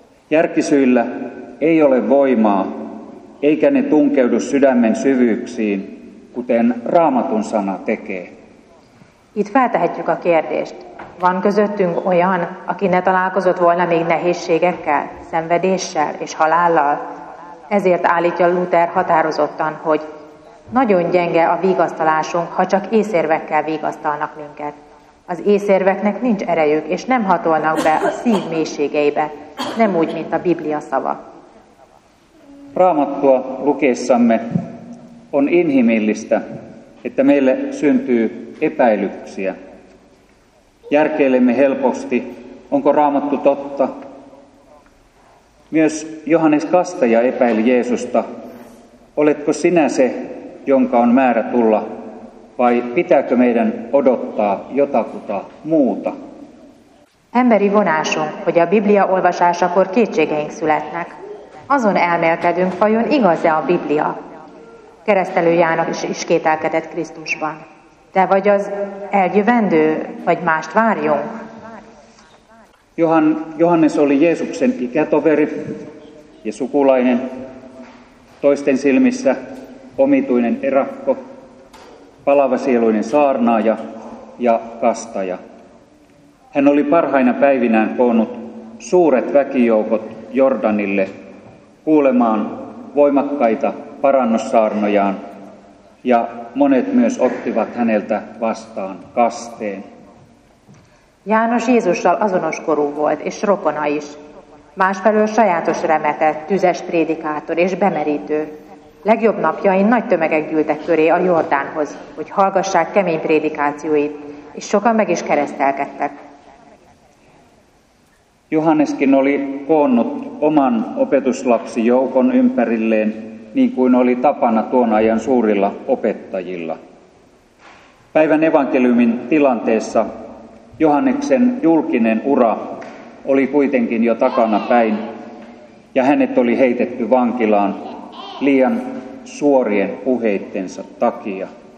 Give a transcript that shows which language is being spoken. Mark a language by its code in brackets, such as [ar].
[fi] Järkisyillä ei ole voimaa, eikä ne tunkeudu sydämen syvyyksiin, kuten Raamatun sana tekee. [hu] Itt feltehetjük a kérdést. Van közöttünk olyan, aki ne találkozott volna még nehézségekkel, szenvedéssel és halállal? Ezért állítja Luther határozottan, hogy nagyon gyenge a vigasztalásunk, ha csak észérvekkel vigasztalnak minket. Az észérveknek nincs erejük, és nem hatolnak be a szív mélységeibe, nem úgy, mint a Biblia szava. [fi] Raamattua lukeessamme on inhimillistä, että meille syntyy epäilyksiä. Järkeilemme helposti, onko Raamattu totta. Myös Johannes Kastaja epäili Jeesusta, oletko sinä se, jonka on määrä tulla, vai pitääkö meidän odottaa jotakuta muuta? [hu] Emberi vonásunk, hogy a Biblia olvasásakor kétségeink születnek. Azon elmélkedünk, vajon igaz-e a Biblia? Keresztelő János is kételkedett Krisztusban. Te vagy az eljövendő, vagy mást várjunk? [fi] Johannes oli Jeesuksen ikätoveri ja sukulainen. Toisten silmissä omituinen erakko, palavasieluinen saarnaaja ja kastaja. Hän oli parhaina päivinään koonnut suuret väkijoukot Jordanille kuulemaan voimakkaita parannussaarnojaan, ja monet myös ottivat häneltä vastaan kasteen. [hu] János Jézussal azonoskorú volt, és rokona is. Másfelől sajátos remetett, tüzes prédikátor és bemerítő. Legjobb napjain nagy tömegek gyűltek köré a Jordánhoz, hogy hallgassák kemény prédikációit, és sokan meg is keresztelkedtek. [fi] Johanneskin oli koonnut oman opetuslapsijoukon ympärilleen, niin kuin oli tapana tuon ajan suurilla opettajilla. Päivän evankeliumin tilanteessa Johanneksen julkinen ura oli kuitenkin jo takana päin, ja hänet oli heitetty vankilaan liian suorien puheittensa takia.